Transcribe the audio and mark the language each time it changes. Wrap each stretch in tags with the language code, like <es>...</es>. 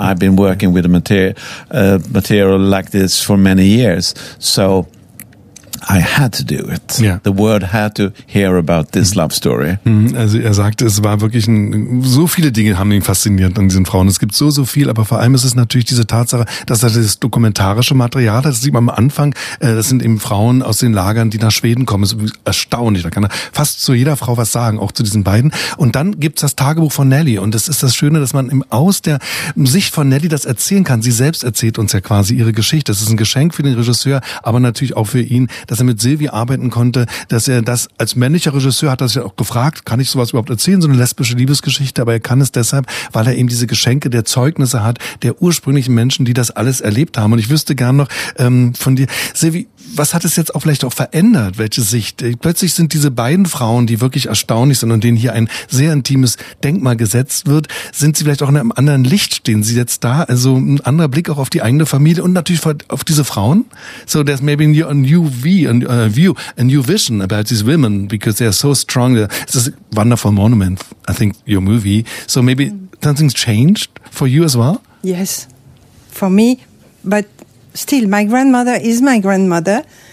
<en>I've been working with a material like this for many years, so I had to do it. Yeah. The world had to hear about this love story.</en> <de>Also er sagte, es war wirklich so viele Dinge haben ihn fasziniert an diesen Frauen. Es gibt so, so viel, aber vor allem ist es natürlich diese Tatsache, dass er das dokumentarische Material hat. Das sieht man am Anfang, das sind eben Frauen aus den Lagern, die nach Schweden kommen. Das ist erstaunlich. Da kann er fast zu jeder Frau was sagen, auch zu diesen beiden. Und dann gibt's das Tagebuch von Nelly. Und das ist das Schöne, dass man aus der Sicht von Nelly das erzählen kann. Sie selbst erzählt uns ja quasi ihre Geschichte. Das ist ein Geschenk für den Regisseur, aber natürlich auch für ihn, dass er mit Silvi arbeiten konnte, dass er das als männlicher Regisseur hat, das ja auch gefragt, kann ich sowas überhaupt erzählen, so eine lesbische Liebesgeschichte, aber er kann es deshalb, weil er eben diese Geschenke der Zeugnisse hat, der ursprünglichen Menschen, die das alles erlebt haben. Und ich wüsste gern noch von dir, Silvi, was hat es jetzt auch vielleicht auch verändert, welche Sicht? Plötzlich sind diese beiden Frauen, die wirklich erstaunlich sind und denen hier ein sehr intimes Denkmal gesetzt wird, sind sie vielleicht auch in einem anderen Licht, stehen sie jetzt da, also ein anderer Blick auch auf die eigene Familie und natürlich auf diese Frauen?</de> <en>So there's maybe a new view, a new vision about these women because they are so strong. It's a wonderful monument, I think, your movie. So maybe something's changed for you as well? Yes, for me. But still, my grandmother is my grandmother.</en>